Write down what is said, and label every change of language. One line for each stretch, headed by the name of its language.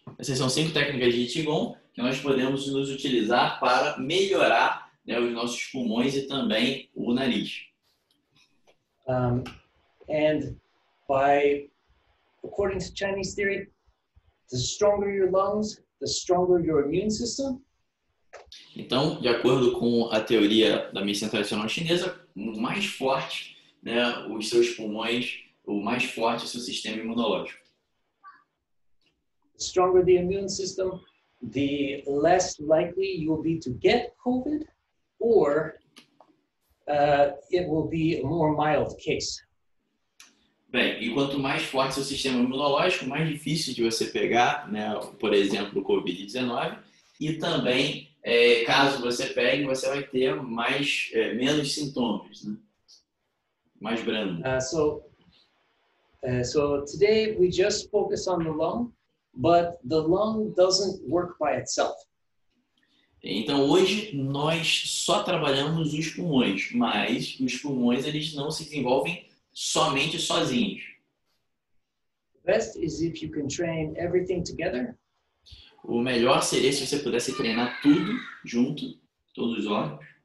Portuguese: Essas são cinco técnicas de qigong que nós podemos nos utilizar para melhorar, né, os nossos pulmões e também o nariz.
English: And by according to Chinese theory, the stronger your lungs, the stronger your immune system.
Portuguese: Então, de acordo com a teoria da medicina tradicional chinesa, o mais forte, né, os seus pulmões, o mais forte é o seu sistema imunológico.
English: The stronger the immune system, the less likely you will be to get COVID, or it will be a more mild case.
Portuguese: Bem, e quanto mais forte seu sistema imunológico, mais difícil de você pegar, né, por exemplo, COVID-19. E também, caso você pegue, você vai ter mais, menos sintomas, né? Mais brando.
English: So today we just focus on the lung, but the lung doesn't work by itself.
Portuguese: Então hoje nós só trabalhamos os pulmões, mas os pulmões eles não se desenvolvem somente sozinhos.
English: Best is if you can train everything together.
Portuguese: O melhor seria se você pudesse treinar tudo junto, todos os órgãos.